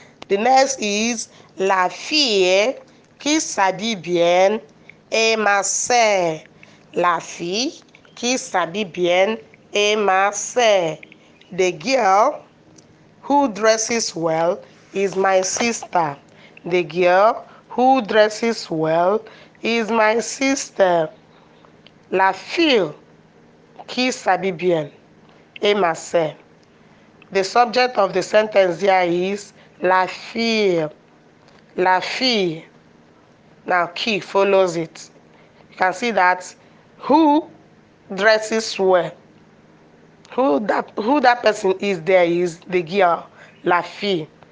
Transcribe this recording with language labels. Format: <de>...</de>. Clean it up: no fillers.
<en>The next is,</en> <fr>la fille qui s'habille bien est ma sœur. La fille Kisa Bibien Emma Say.</fr> <en>The girl who dresses well is my sister. The girl who dresses well is my sister.</en> <fr>La fille qui s'habille bien est ma sœur.</fr> <en>The subject of the sentence here is</en> <fr>la fille. La fille.</fr> <en>Now, qui follows it? You can see that who dresses well. Who that person is there is the girl,</en> <fr>la fille.</fr>